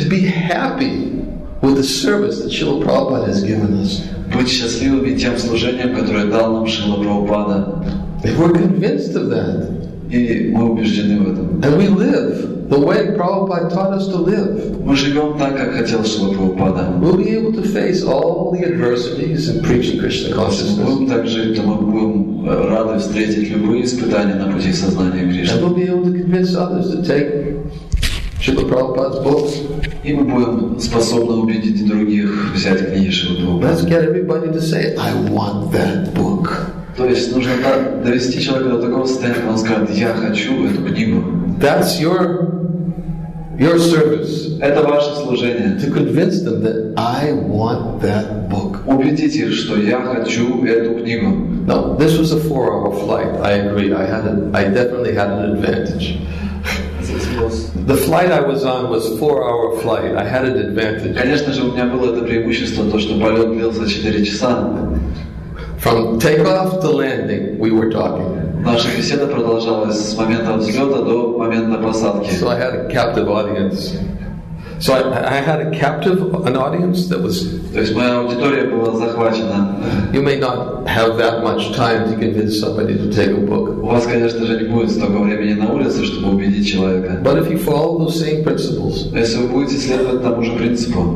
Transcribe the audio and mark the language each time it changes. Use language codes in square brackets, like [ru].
[en] To be happy with the service that Srila Prabhupada has given us. [ru] Быть счастливыми тем служением, которое дал нам Шрила Прабхупада. [en] If we're convinced of that. [ru] И мы убеждены в этом. [en] And we live the way Prabhupada taught us to live. [ru] Мы живем так, как хотел Шрила Прабхупада. [en] We'll be able to face all the adversities in preaching Krishna consciousness. [ru] Будем так жить, то мы будем рады встретить любые испытания на пути сознания Кришны. [en] And we'll be able to convince others to take Шрила Прабхупада books. [ru] И мы будем способны убедить других взять книги Шрила Прабхупада. [en] Let's get everybody to say, I want that book. [ru] То есть нужно так довести человека до такого состояния, что он скажет, я хочу эту книгу. [en] That's your service. [ru] Это ваше служение. [en] To convince them that I want that book. [ru] Убедить их, что я хочу эту книгу. [en] Now, this was a 4-hour flight. I agree. I definitely had an advantage. The flight I was on was a 4-hour flight. I had an advantage. [ru] Конечно же, у меня было это преимущество, то, что полет длился 4 часа. [en] From takeoff to landing, we were talking. [ru] Наша беседа продолжалась с момента взлета до момента посадки. [en] So I had a captive audience. So I had a captive an audience that was. [ru] То есть моя аудитория была захвачена. [en] You may not have that much time to convince somebody to take a book. [ru] У вас, конечно же, не будет столько времени на улице, чтобы убедить человека. [en] But if you follow those same principles, [ru] если вы будете следовать тому же принципу,